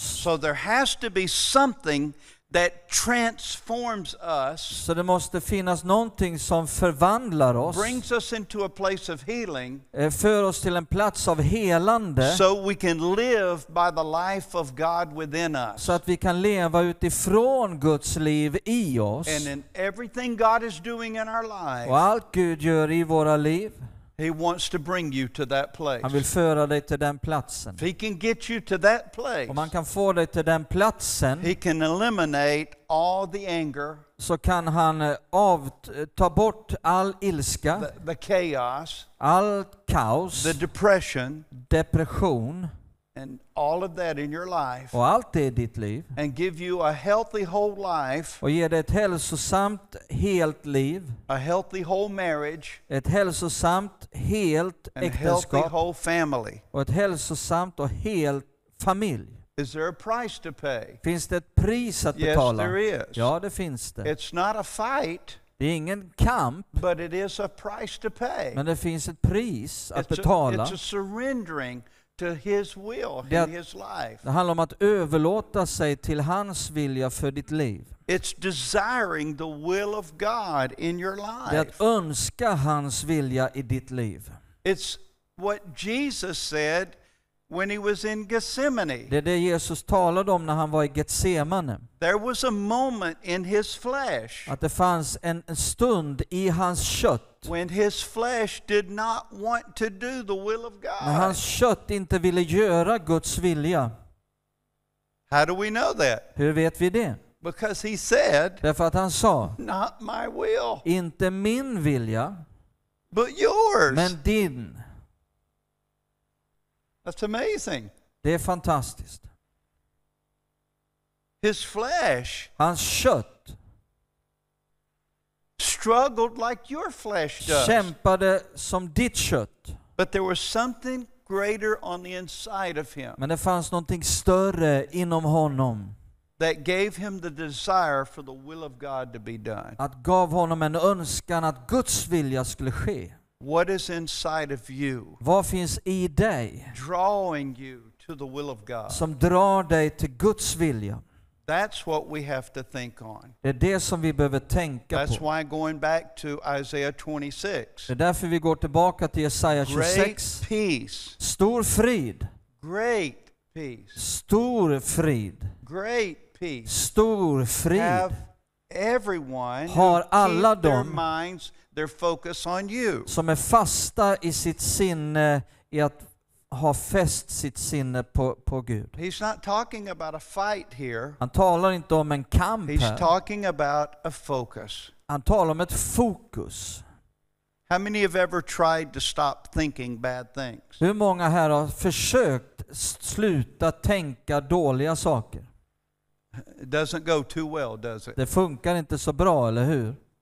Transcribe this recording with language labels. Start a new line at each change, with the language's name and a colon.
English: So there has to be something that transforms us.
Swedish: Så det måste finnas någonting som förvandlar oss.
English: Brings us into a place of healing.
Swedish: För oss till en plats av helande.
English: So we can live by the life of God within us.
Swedish: Så att vi kan leva utifrån Guds liv i oss.
English: And in everything God is doing in our lives.
Swedish: Och allt Gud gör i våra liv.
English: He wants to bring you to that place.
Swedish: Han vill föra dig till den platsen.
English: If he can get you to that place.
Swedish: Om han kan få dig till den platsen.
English: He can eliminate all the anger.
Swedish: Så kan han ta bort all ilska.
English: The chaos.
Swedish: All kaos.
English: The depression.
Swedish: Depression.
English: And all of that in your life.
Swedish: Och allt det i ditt liv.
English: And give you a healthy whole life.
Swedish: Och ge dig ett hälsosamt helt liv.
English: A healthy whole marriage.
Swedish: Ett hälsosamt helt äktenskap.
English: And a healthy whole family.
Swedish: Och ett hälsosamt och helt familj.
English: Is there a price to pay?
Swedish: Finns det ett pris att betala?
English: Yes, there is.
Swedish: Ja, det finns det.
English: It's not a fight.
Swedish: Det är ingen kamp.
English: But it is a price to pay.
Swedish: Men det finns ett pris att betala.
English: It's a surrendering to his will in his life.
Swedish: Det handlar om att överlåta sig till hans vilja för ditt liv.
English: It's desiring the will of God in your life.
Swedish: Det är att önska hans vilja i ditt liv.
English: It's what Jesus said when he was in Gethsemane.
Swedish: Det är det Jesus talade om när han var i Getsemane.
English: There was a moment in his flesh.
Swedish: Att det fanns en stund i hans kött.
English: When his flesh did not want to do the will of God.
Swedish: När hans kött inte ville göra Guds vilja.
English: How do we know that?
Swedish: Hur vet vi det?
English: Because he said,
Swedish: därför att han sa,
English: not my will.
Swedish: Inte min vilja.
English: But yours.
Swedish: Men din.
English: That's amazing.
Swedish: Det är fantastiskt.
English: His flesh.
Swedish: Hans kött.
English: Struggled like your flesh does.
Swedish: Kämpade som ditt kött.
English: But there was something greater on the inside of him.
Swedish: Men det fanns någonting större inom honom.
English: That gave him the desire for the will of God to be done.
Swedish: Att gav honom en önskan att Guds vilja skulle ske.
English: What is inside of you?
Swedish: Vad finns i dig?
English: Drawing you to the will of God.
Swedish: Som drar dig till Guds vilja.
English: That's what we have to think on.
Swedish: Det är det som vi behöver tänka på.
English: That's why going back to Isaiah 26.
Swedish: Det är därför vi går tillbaka till Jesaja 26.
English: Great peace.
Swedish: Stor frid.
English: Great peace.
Swedish: Stor frid.
English: Great peace.
Swedish: Stor frid.
English: Have everyone
Swedish: har alla dem
English: their minds, their focus on you.
Swedish: Som är fasta i sitt sinne i att ha fäst sitt sinne på Gud.
English: He's not talking about a fight here.
Swedish: Han talar inte om en kamp.
English: He's
Swedish: här.
English: Talking about a focus.
Swedish: Han talar om ett fokus.
English: How many have ever tried to stop thinking bad things?
Swedish: Hur många här har försökt sluta tänka dåliga saker?
English: It doesn't go too well, does it?
Swedish: Det funkar inte så bra, eller hur?